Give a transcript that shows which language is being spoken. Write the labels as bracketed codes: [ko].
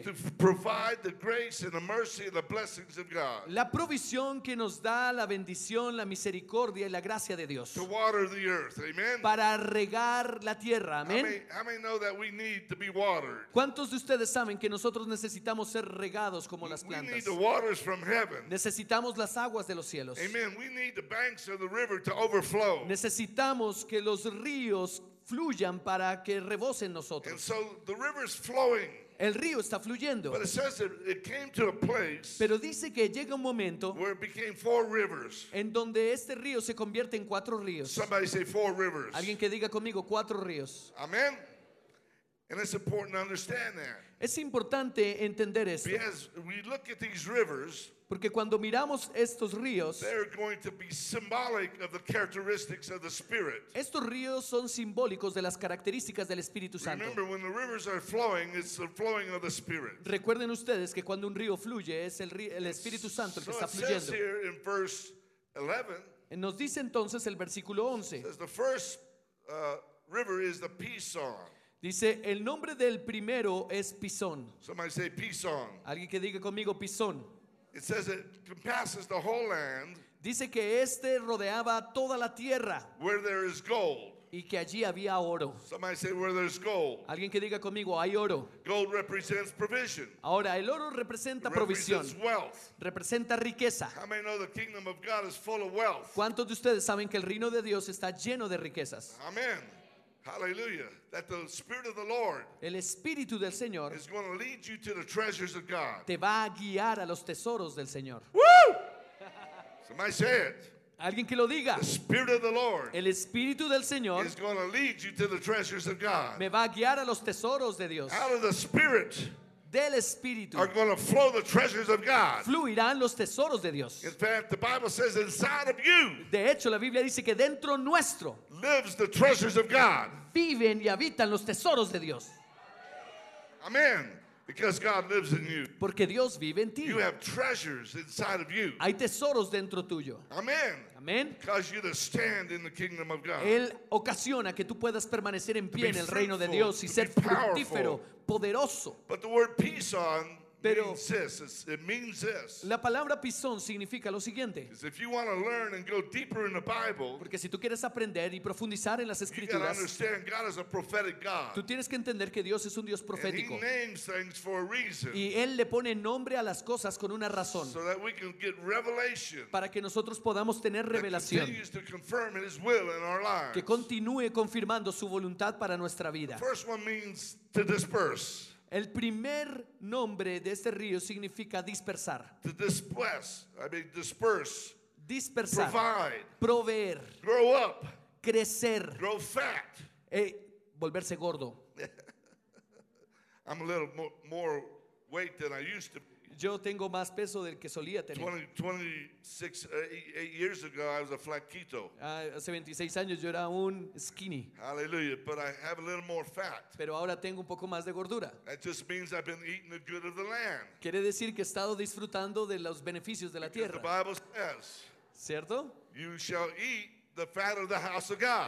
[en] To provide the grace and the mercy and the blessings of God. [es] La provisión que nos da la bendición, la misericordia y la gracia de Dios. [en] Water the earth, amen. [es] Para regar la tierra, amen. [en] How many know that we need to be watered? [es] ¿Cuántos de ustedes saben que nosotros necesitamos ser regados como las plantas? [en] We need the waters from heaven. [es] Necesitamos las aguas de los cielos. Amen. [en] We need the banks of the river to overflow. [es] Necesitamos que los ríos fluyan para que rebosen nosotros. [en] And so the river is flowing. [es] El río está fluyendo. [en] But it says it came to a place. [es] Pero dice que llega un momento [en] where it became four rivers. [es] En donde este río se convierte en cuatro ríos. [en] Somebody say four rivers. [es] Alguien que diga conmigo cuatro ríos. [en] Amen. And it's important to understand that. [es] Es importante entender esto. [en] Because we look at these rivers. [es] Porque cuando miramos estos ríos, [en] they're going to be symbolic of the characteristics of the Spirit. [es] Estos ríos son simbólicos de las características del Espíritu Santo. [en] Remember, when the rivers are flowing, it's the flowing of the Spirit. [es] Recuerden ustedes que cuando un río fluye, es el Espíritu Santo el que está fluyendo. [en] So it says here in verse 11. [es] Nos dice entonces el versículo 11. [en] Says the first river is the Pison. [es] Dice, el nombre del primero es Pison. [en] Somebody say Pison. [es] Alguien que diga conmigo Pison. [en] It says it compasses the whole land. [es] Dice que este rodeaba toda la tierra. [en] Where there is gold. [es] Y que allí había oro. [en] Somebody say where there's gold. [es] Alguien que diga conmigo, hay oro. [en] Gold represents provision. [es] Ahora, el oro representa provisión. [en] Represents wealth. [es] Representa riqueza. [en] How many know the kingdom of God is full of wealth? [es] ¿Cuántos de ustedes saben que el reino de Dios está lleno de riquezas? [en] Amen. Hallelujah. That the Spirit of the Lord, [es] el Espíritu del Señor, [en] is going to lead you to the treasures of God. [es] Te va a guiar a los tesoros del Señor. [en] Woo! Somebody say it. [es] Alguien que lo diga. [en] The Spirit of the Lord, [es] el Espíritu del Señor, [en] is going to lead you to the treasures of God. [es] Me va a guiar a los tesoros de Dios. [en] Out of the Spirit, [es] del Espíritu, [en] are going to flow the treasures of God. [es] Fluirán los tesoros de Dios. [en] In fact, the Bible says inside of you. [es] De hecho, la Biblia dice que dentro nuestro [en] lives the treasures of God. [es] Viven y habitan los tesoros de Dios. [en] Amen. Because God lives in you. [es] Porque Dios vive en ti. [en] You have treasures inside of you. [es] Hay tesoros dentro tuyo. Amen. Amen. [en] Cause you to stand in the kingdom of God. [es] Él ocasiona que tú puedas permanecer en pie en el reino de Dios y ser fructífero, poderoso. [en] But the word pison means this. It means this. [es] La palabra pison significa lo siguiente. [en] Because if you want to learn and go deeper in the Bible, [es] porque si tú quieres aprender y profundizar en las escrituras, [en] you got to understand God is a prophetic God. [es] Tú tienes que entender que Dios es un Dios profético. [en] And He names things for a reason. [es] Y él le pone nombre a las cosas con una razón. [en] So that we can get revelation. [es] Para que nosotros podamos tener revelación. [en] That continues to confirm His will in our lives. [es] Que continúe confirmando su voluntad para nuestra vida. [en] The first one means to disperse. [es] El primer nombre de este río significa dispersar. [en] To disperse, I mean disperse. [es] Dispersar. [en] Provide. [es] Proveer. [en] Grow up. [es] Crecer. [en] Grow fat. [es] Volverse gordo. [en] I'm a little more weight than I used to be. [es] Yo tengo más peso del que solía tener. [en] 26 years ago I was a [es] flaquito. Hace 26 años yo era un [en] skinny. Hallelujah, but I have a little more fat. [es] Pero ahora tengo un poco más de gordura. [en] That just means I've been eating the good of the land. [es] Quiere decir que he estado disfrutando de los beneficios de la tierra. [en] The Bible says, [es] ¿cierto? [en] You shall eat the fat of the house of God.